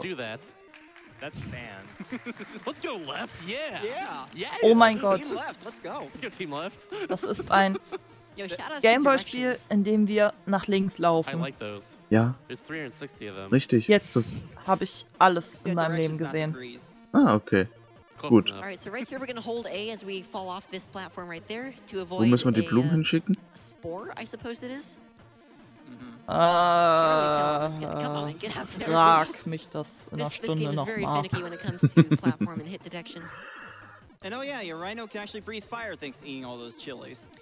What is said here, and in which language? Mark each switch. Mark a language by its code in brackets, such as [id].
[en] oh. That's fans. Let's go left. Yeah. Yeah. [de] Oh mein Gott. [en] Team left. Let's [de] go. Das ist ein Gameboy-Spiel, in dem wir nach links laufen. Ja. [en] There's 360 of them. [de] Richtig. Jetzt habe ich alles in meinem Leben gesehen. Ah, okay. Gut. [en] All right, so right here we're gonna hold A as we fall off this platform right there to avoid. [de] Wo müssen wir die Blumen hinschicken? [en] Spore, I suppose it is. [de] Frag mich das in einer Stunde noch mal. [en] And oh yeah, your rhino can actually breathe fire thanks to eating all those chilies.